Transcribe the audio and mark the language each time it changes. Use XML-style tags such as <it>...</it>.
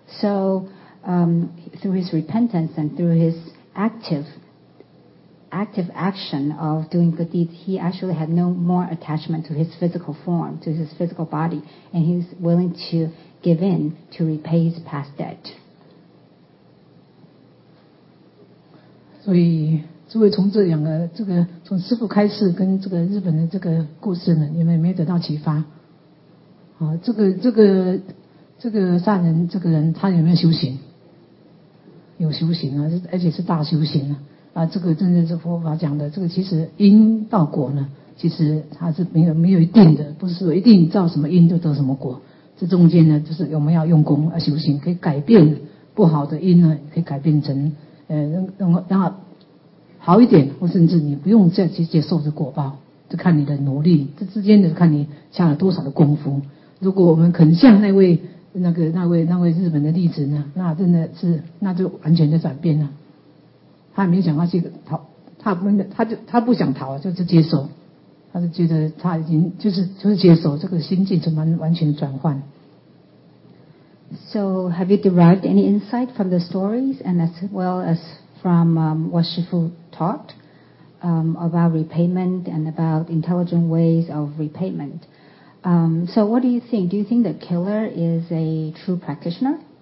<en>So, through his repentance and through his active action of doing good deeds, he actually had no more attachment to his physical form, to his physical body, and he's willing to give in to repay his past debt.</en> <zh>所以诸位从这两个这个从师父开示跟这个日本的这个故事呢，你们没有得到启发啊？这个杀人这个人他有没有修行？有修行啊，而且是大修行 啊这个真的是佛法讲的，这个其实因到果呢，其实它是没有一定的，不是说一定造什么因就得什么果，这中间呢就是我们要用功要修行，可以改变不好的因呢，可以改变成然后好一点，或甚至你不用再去接受这果报，就看你的努力，这之间的看你下了多少的功夫。如果我们肯像那位日本的例子呢，那真的是那就完全的转变了。他没想到去逃，他不想逃，就是接受，他就觉得他已经就是接受，这个心境是完全转换。</zh> <en>So, have you derived any insight from the stories and as well as from what Shifu taught? about repayment and about intelligent ways of repayment. So what do you think? Do you think the killer is a true practitioner?</en>